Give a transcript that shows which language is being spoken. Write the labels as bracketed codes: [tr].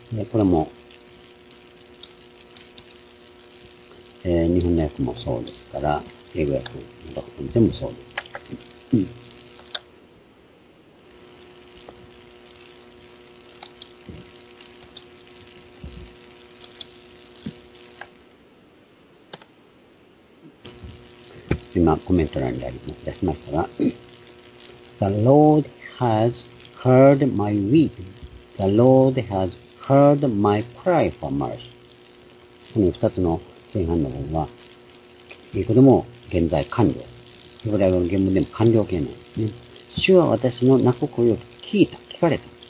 [ja] これも、日本の訳もそうですから、英語訳などを見てもそうです。今、コメント欄であります。出しましたが、 [en] The Lord has heard my weeping. The Lord has heard my cry for mercy. [ja] この二つの前半の部分は、英語でも現在完了。ヘブライ語の原文でも完了形なんですね。主は私の泣く声を聞いた、聞かれた。